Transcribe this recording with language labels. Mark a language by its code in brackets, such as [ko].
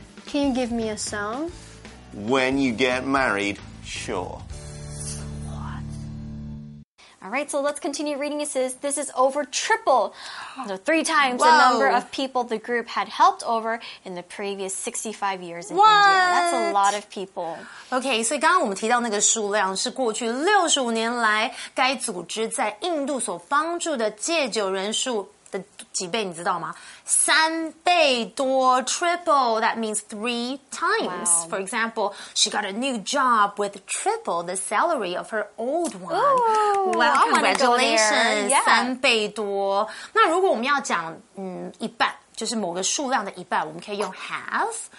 [en] Can you give me a song? When you get married, sure. All right, so let's continue reading. It says, this is over triple, three times、Whoa. The number of people the group had helped over in the previous 65 years in、 What? India. That's a lot of people. [zh] Okay, 所以刚刚我们提到那个数量是过去65年来该组织在印度所帮助的戒酒人数的几倍，你知道吗？三倍多 [en] triple, that means three times.、 For example, she got a new job with triple the salary of her old one. Wow, congratulations,、 yeah. [zh] 三倍多。那如果我们要讲、一半，就是某个数量的一半，我们可以用 half.